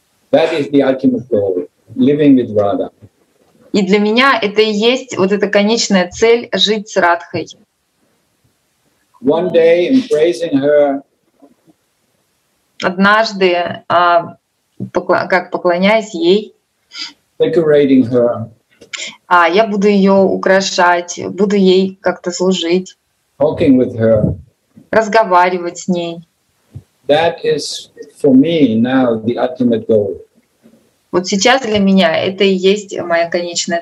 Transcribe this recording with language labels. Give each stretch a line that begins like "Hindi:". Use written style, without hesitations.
English: That is the ultimate goal, living with Radha.
Russian: И для меня это и есть вот эта конечная цель — жить с Радхой.
English: One day embracing her.
Russian: Однажды, как поклоняясь ей.
English: Decorating her.
Russian: Я буду ее украшать, буду ей как-то служить.
English: Talking with her.
Russian: Разговаривать с ней.
English: That is for me now the ultimate goal.
Russian: Вот сейчас для меня это и есть моя конечная